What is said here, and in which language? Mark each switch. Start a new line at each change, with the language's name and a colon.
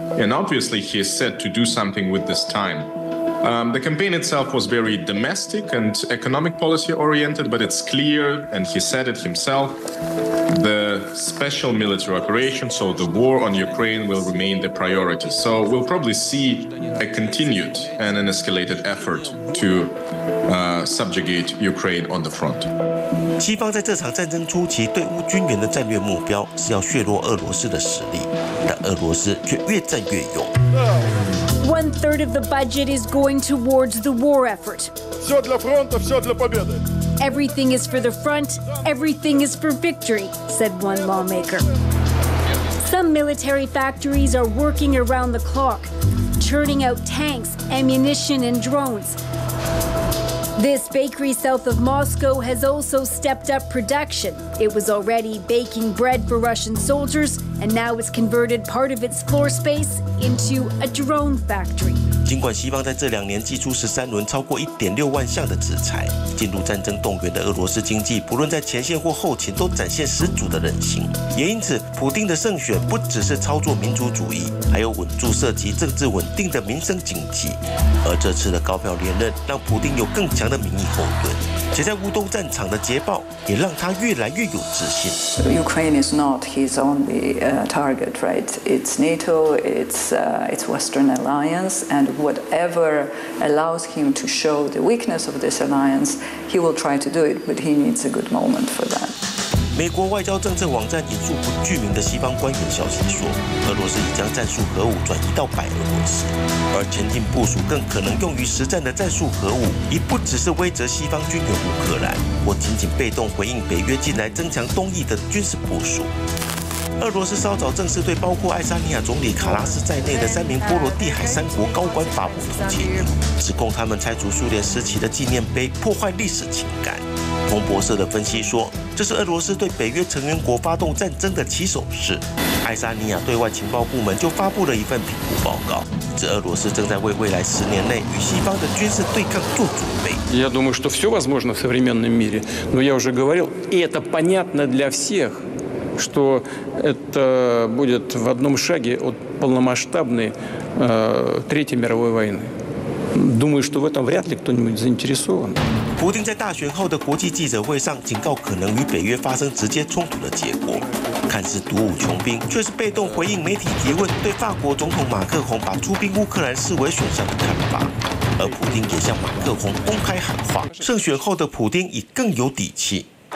English: And obviously, he is set to do something with this time. The campaign itself was very domestic and economic policy oriented, but it's clear, and he said it himself, the special military operation, so the war on Ukraine, will remain the priority. So we'll probably see a continued and an escalated effort to subjugate Ukraine on the front.
Chinese: 西方在这场战争初期对乌军援的战略目标是要削弱俄罗斯的实力，但俄罗斯却越战越勇。
English: 1/3 of the budget is going towards the war effort. Everything is for the front, everything is for victory, said one lawmaker. Some military factories are working around the clock, churning out tanks, ammunition, and drones. This bakery south of Moscow has also stepped up production. It was already baking bread for Russian soldiers, and now it's converted part of its floor space into a drone factory.
Chinese: 尽管西方在这两年祭出13轮超过1.6万项的制裁，进入战争动员的俄罗斯经济，不论在前线或后勤，都展现十足的韧性。也因此，普丁的胜选不只是操作民族主义，还有稳住涉及政治稳定的民生经济。而这次的高票连任，让普丁有更强的民意后盾，且在乌东战场的捷报也让他越来越有自信。
English: Ukraine is not his only target, right? It's NATO, it's Western alliance, and whatever allows him to show the weakness of this alliance, he will try to do it, but he needs a good moment for that.
Chinese: 美国外交政策网站引述不具名的西方官员消息说，俄罗斯已将战术核武转移到白俄罗斯，而前进部署更可能用于实战的战术核武，已不只是威责西方军援乌克兰，或仅仅被动回应北约近来增强东翼的军事部署。俄罗斯稍早正式对包括爱沙尼亚总理卡拉斯在内的3名波罗的海三国高官发布通缉令，指控他们拆除苏联时期的纪念碑，破坏历史情感。彭博社的分析说，这是俄罗斯对北约成员国发动战争的起手式。爱沙尼亚对外情报部门就发布了一份评估报告，指俄罗斯正在为未来10年内与西方的军事对抗做准备。
Russian: Я думаю, что все возможно в современном мире, но я уже говорил, и это понятно для всех, что это будет в одном шаге от полномасштабной третьей мировой войны. Думаю, что в этом вряд ли кто-нибудь заинтересован.
Chinese: 普丁在大选后的国际记者会上警告可能与北约发生直接冲突的结果，看似独武穷兵，却是被动回应媒体提问对法国总统马克宏把出兵乌克兰视为选项的看法。而普丁也向马克宏公开喊话，胜选后的普丁已更有底气。